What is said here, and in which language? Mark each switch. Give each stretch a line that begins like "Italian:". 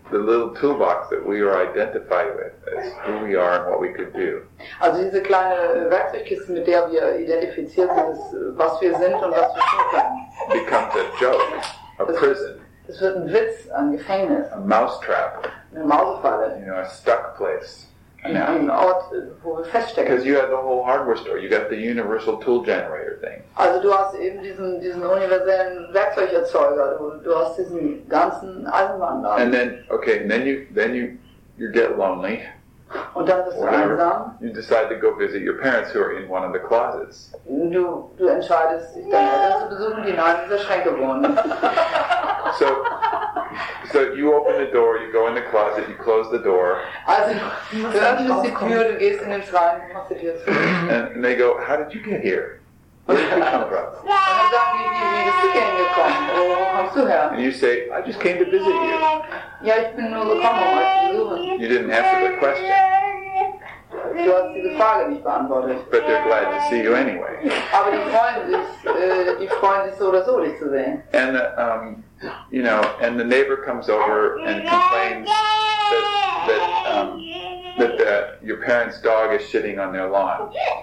English: the little toolbox that we are identified with is who we are and what we could do.
German: Also diese kleine Werkzeugkiste, mit der wir identifiziert sind, ist, was wir sind und was wir tun können.
English: Becomes a joke, a das prison.
German: Das wird ein Witz, ein Gefängnis.
English: A mouse trap.
German: Eine Mausefalle.
English: You know, a stuck place.
German: Ein Ort, wo wir feststecken.
English: Because you have the whole hardware store. You got the universal tool generator thing.
German: Also du hast eben diesen universellen Werkzeugerzeuger. Du hast diesen ganzen Eisenbahnladen.
English: And then, okay, and then you get lonely.
German: Und dann bist du einsam.
English: You decide to go visit your parents who are in one of the closets.
German: Du entscheidest dich dann, ja, zu besuchen, die in einem dieser Schränke wohnen.
English: So you open the door, you go in the closet, you close the door. And they go, how did you get here? Where did you come from? And you say, I just came to visit you.
German: Yeah, ich bin nur gekommen, um euch zu besuchen.
English: You didn't answer the question.
German: Du hast diese Frage nicht beantwortet.
English: But they're glad to see you anyway.
German: Aber die freuen sich so oder so, dich zu sehen.
English: And you know, and the neighbor comes over and complains that your parents' dog is shitting on their lawn.